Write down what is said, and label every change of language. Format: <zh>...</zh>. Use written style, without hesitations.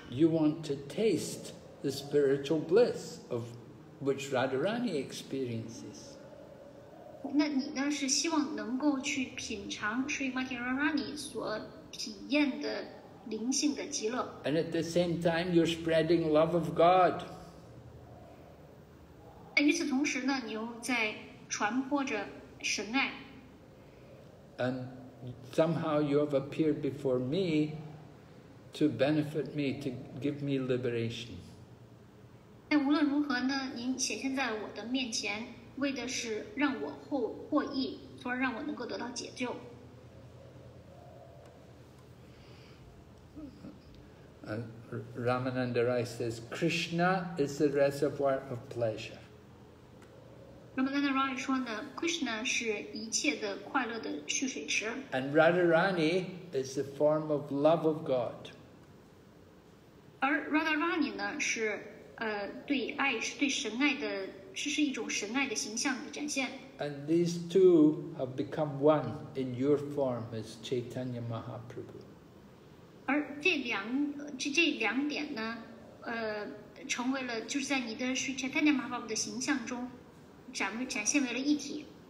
<en>You want to taste the spiritual bliss of which Radharani experiences.</en> <zh>那你呢是希望能够去品尝 Srimati Radharani 所体验的灵性的极乐。</zh> <en>And at the same time, you're spreading love of God.</en> <zh>与此同时呢，你又在传播着神爱。</zh> <en>And somehow you have appeared before me to benefit me, to give me liberation.</en> <zh>但无论如何呢，您显现在我的面前。为的是让我获益，从而让我能够得到解救。</zh> <en>Ramananda Rai says, Krishna is the reservoir of pleasure.</en> <zh>Ramananda Rai 说呢 ，Krishna 是一切的快乐的蓄水池。</zh> <en>And Radharani is the form of love of God.</en> <zh>而 Radharani 呢是对爱是对神爱的。是一种神爱的形象的展现。</zh> <en>And these two have become one in your form as Chaitanya Mahaprabhu.</en> <zh>而这两点呢，成为了就是在你的 Sri Chaitanya Mahaprabhu 的形象中展现为了一体。</zh>